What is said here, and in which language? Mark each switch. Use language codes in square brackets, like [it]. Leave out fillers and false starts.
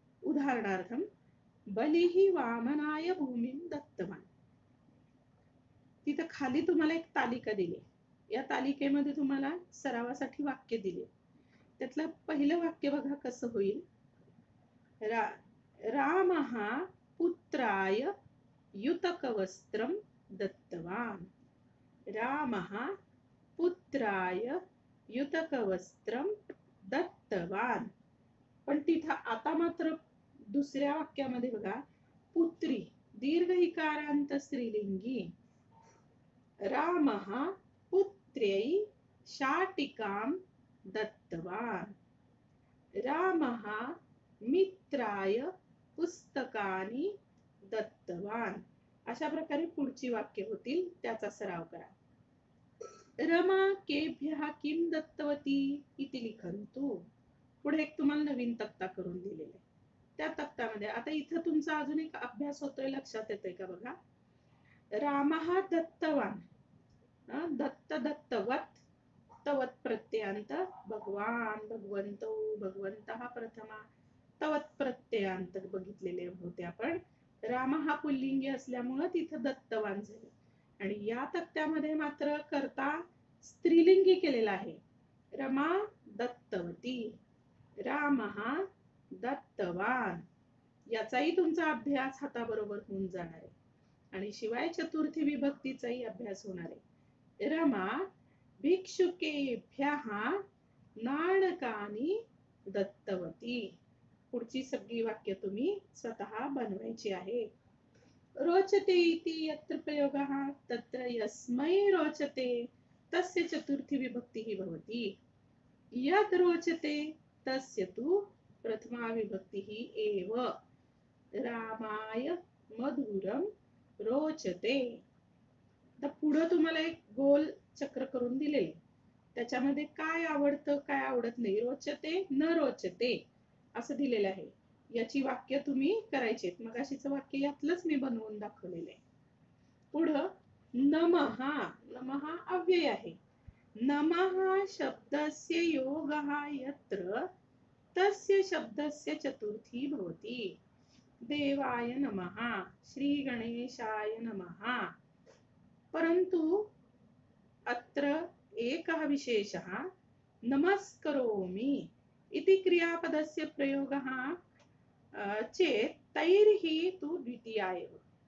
[sa] उदाहरणार्थं बलिः वामनाय भूमिं दत्तवान्। [mr] तिथं खाली तुम्हाला एक तालिका दिली, या तालिकेमध्ये तुम्हाला सरावासाठी वाक्य दिले। त्यातलं पहिलं वाक्य बघा कसं होईल। [sa] रामः पुत्राय युतकवस्त्रं दत्तवान्। रामः पुत्राय युतकवस्त्रं दत्तवान्। [mr] पण तिथं आता मात्र दुसऱ्या वाक्यामध्ये बघा, पुत्री दीर्घहिकारांत स्त्रीलिंगी। [sa] रामः पुत्र्यै शाटिकां दत्तवान्। रामः मित्राय पुस्तकानि दत्तवान्। [mr] अशा प्रकारे पुढची वाक्य होतील, त्याचा सराव करा। [sa] रमा केभ्यः किं दत्तवती इति लिखन्तु. [mr] पुढे एक तुम्हाला नवीन तक्ता करून दिलेला आहे, त्या तक्त्यामध्ये आता इथं तुमचा अजून एक अभ्यास होतोय, लक्षात येतोय का बघा. रामः दत्तवान, दत्त दत्तवत, तवत प्रत्ययांत, भगवान भगवंतो भगवंतः प्रथमा, तवत प्रत्ययांत बघितलेले होते आपण. राम हा पुल्लिंगी असल्यामुळे तिथं दत्तवान झाले. आणि या तक्त्यामध्ये मात्र कर्ता स्त्रीलिंगी केलेला आहे, रमा दत्तवती, राम हा दत्तवान, याचाही तुमचा अभ्यास हाताबरोबर होऊन जाणार आहे. आणि शिवाय चतुर्थी विभक्तीचाही अभ्यास होणार आहे. [sa] रमा भिक्षुकेभ्यः नाणकानि दत्तवती. [mr] पुढची सगळी वाक्य तुम्ही स्वतः बनवायची आहे. [sa] रोचते इति यत्र प्रयोगः तत्र यस्मै रोचते तस्य चतुर्थी विभक्तिः भवति. यत् रोचते तस्य तु प्रथमा विभक्तिः एव. रामाय मधुरं रोचते. [mr] पुढे तुम्हाला एक गोल चक्र करून दिलेले, त्याच्यामध्ये काय आवडतं काय आवडत नाही, रोचते न रोचते असं दिलेलं आहे. याची वाक्य तुम्ही करायची आहेत. मगाशीचं वाक्य यातलंच मी बनवून दाखवलेलं आहे. पुढं नमः. नमः अव्यय आहे. [sa] नमः शब्दस्य योगः यत्र तस्य शब्दस्य चतुर्थी भवति. देवाय नमः, श्री गणेशाय नमः. परंतु अत्र एकः विशेषः, नमस्करोमि इति क्रियापदस्य प्रयोगः चेत् तैर्हि तु द्वितीया एव.